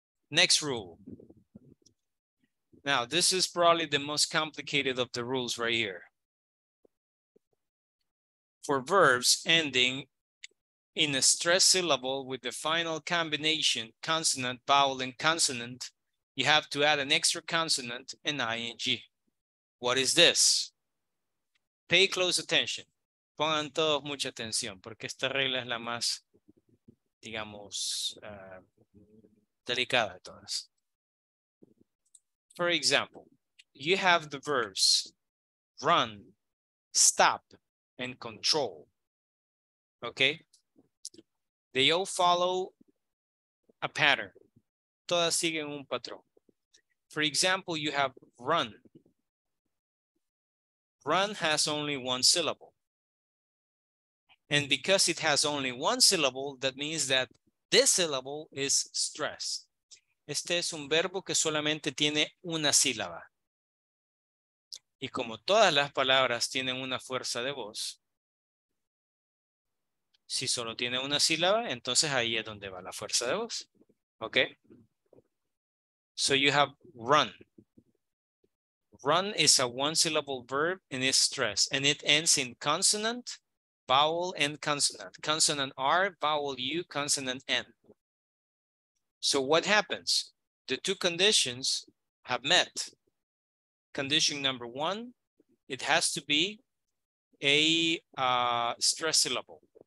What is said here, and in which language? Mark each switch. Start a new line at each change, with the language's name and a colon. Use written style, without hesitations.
English: Next rule. Now, this is probably the most complicated of the rules right here. For verbs ending in a stressed syllable with the final combination, consonant, vowel, and consonant, you have to add an extra consonant and ing. What is this? Pay close attention.
Spanish: Pongan todos mucha atención, porque esta regla es la más, digamos, delicada de todas.
English: For example, you have the verbs run, stop, and control. Okay? They all follow a pattern.
Spanish: Todas siguen un patrón.
English: For example, you have run. Run has only one syllable. And because it has only one syllable, that means that this syllable is stressed.
Spanish: Este es un verbo que solamente tiene una sílaba. Y como todas las palabras tienen una fuerza de voz, si solo tiene una sílaba, entonces ahí es donde va la fuerza de voz.
English: Okay? So you have run. Run is a one-syllable verb and it's stressed. And it ends in consonant, vowel, and consonant. Consonant R, vowel U, consonant N. So what happens? The two conditions have met. Condition number one, it has to be a stress syllable.